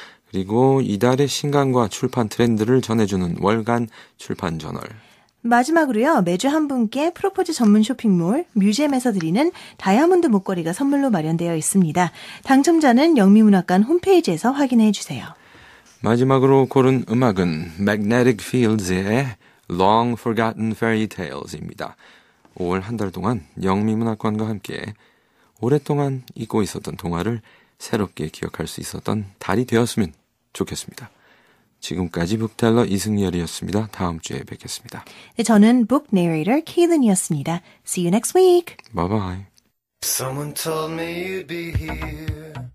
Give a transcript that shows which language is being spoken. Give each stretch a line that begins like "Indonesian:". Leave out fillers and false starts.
Korean: 그리고 이달의 신간과 출판 트렌드를 전해주는 월간 출판 저널, 마지막으로요, 매주 한 분께 프로포즈 전문 쇼핑몰 뮤지엄에서 드리는 다이아몬드 목걸이가 선물로 마련되어 있습니다. 당첨자는 영미문학관 홈페이지에서 확인해 주세요. 마지막으로 고른 음악은 Magnetic Fields의 Long Forgotten Fairy Tales입니다. 5월 한 달 동안 영미문학관과 함께 오랫동안 잊고 있었던 동화를 새롭게 기억할 수 있었던 달이 되었으면 좋겠습니다. 지금까지 북텔러 이승열이었습니다. 다음 주에 뵙겠습니다. 네, 저는 북 내레이터 케이든이었습니다.
English: See you next week. Bye bye. Someone told me you'd be here.